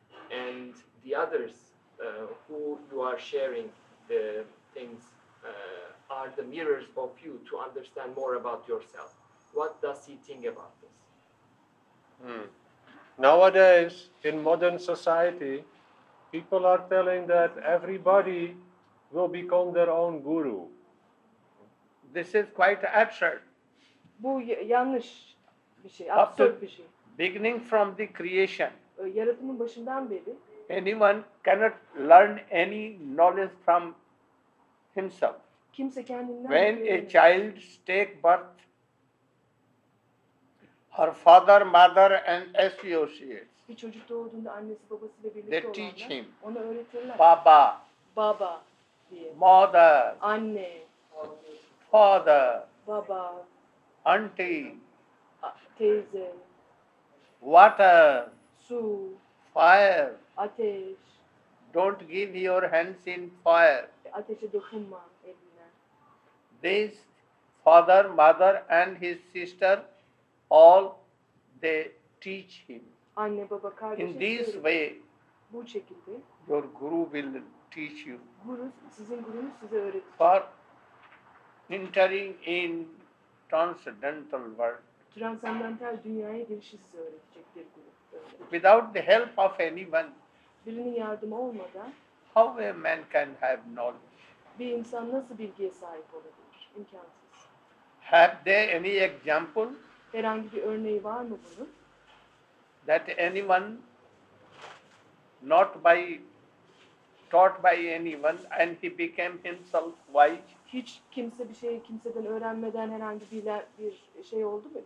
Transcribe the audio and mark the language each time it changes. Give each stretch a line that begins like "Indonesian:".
English: And the others who you are sharing the things are the mirrors of you to understand more about yourself. What does he think about this? Nowadays, in modern society, people are telling that everybody will become their own guru. This is quite absurd.
Turkish: Bu yanlış bir şey, absurd bir şey.
English: Beginning from the creation.
Turkish: Yaratımın başından beri.
English: Anyone cannot learn any knowledge from himself.
Turkish: Kimse kendinden
English: when a child take birth, her father, mother and associates.
Turkish: Bir çocuk doğduğunda annesi babası ile birlikte
English: they teach him.
Turkish: Ona öğretirler. Baba. Baba diye.
English: Mother.
Turkish: Anne.
English: Father.
Turkish: Baba.
English: Auntie.
Turkish: Teyze.
English: Water.
Turkish: Su.
English: Fire.
Turkish: Ateş.
English: Don't give your hands in fire.
Turkish: ateşe dokunma eline.
English: These father, mother and his sister all they teach him.
Turkish: Anne baba kardeşim.
English: In this way
Turkish: bu şekilde
English: your guru will teach you.
Turkish: Guru sizin gurunuz size öğretir.
English: For entering in transcendental world.
Turkish: Transcendental dünyaya girişi size öğretecektir guru.
English: Without the help of anyone,
Turkish: birinin yardımı olmadan,
English: how a man can have knowledge?
Turkish: Bir insan nasıl bilgiye sahip olabilir? İmkansız.
English: Have they any example?
Turkish: Herhangi bir örneği var mı bunun?
English: That anyone, not by taught by anyone, and he became himself wise.
Turkish: Hiç kimse bir şeyi kimseden öğrenmeden herhangi bir şey oldu mu?